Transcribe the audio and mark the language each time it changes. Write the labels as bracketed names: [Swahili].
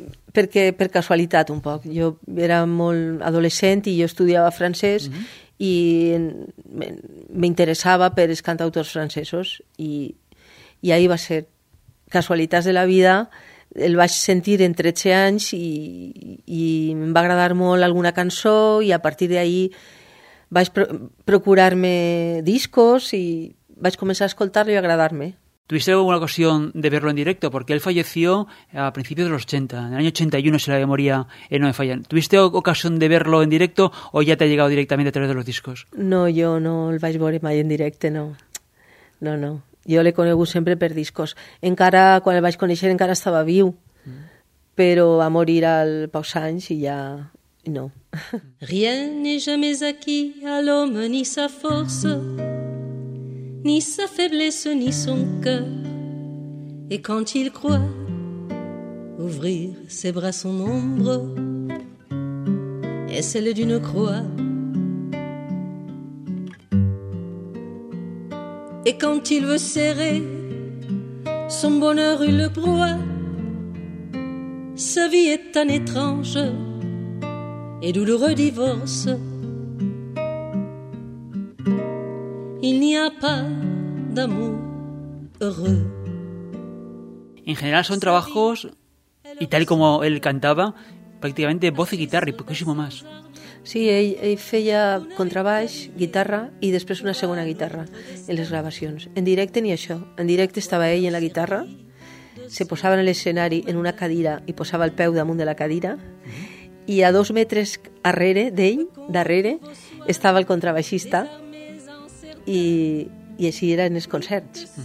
[Catalan] Perquè per casualitat un poc. Jo era molt adolescent i jo estudiava francès i m'interessava per els cantautors francesos i ahí va ser. Casualitats de la vida, el vaig sentir en 13 anys i em va agradar molt alguna cançó i a partir d'ahí vaig procurar-me discos i vaig començar a escoltar-lo i agradar-me. [Spanish] ¿Tuviste alguna ocasión de verlo en directo? Porque él falleció a principios de los 80, en el año 81 se le moría en Noé Fallan. ¿Tuviste ocasión de verlo en directo o ya te ha llegado directamente a través de los discos? [Catalan] No, yo no el vaig veure mai en directe, no. No, no. Jo l'he conegut sempre per discos. Encara, quan el vaig conèixer, encara estava viu, però va morir al pocs anys i ja... no. [French] Rien n'est jamais acquis à l'homme ni sa force, ni sa faiblesse, ni son cœur. Et quand il croit ouvrir ses bras, son ombre est celle d'une croix. Et quand il veut serrer son bonheur, il le croit. Sa vie est un étrange et douloureux divorce. Il n'y a pas d'amour heureux. [Spanish] En general son trabajos, y tal como él cantaba, prácticamente voz y guitarra y poquísimo más. [Catalan] Sí, ell feia contrabaix, guitarra [Spanish] y después una segunda guitarra [Catalan] en les gravacions. En directe ni això. En directe estava ell en la guitarra, se posava en l'escenari en una cadira i posava el peu damunt de la cadira i a 2 metres arrere d'ell, darrere, estava el contrabaixista i així era en els concerts.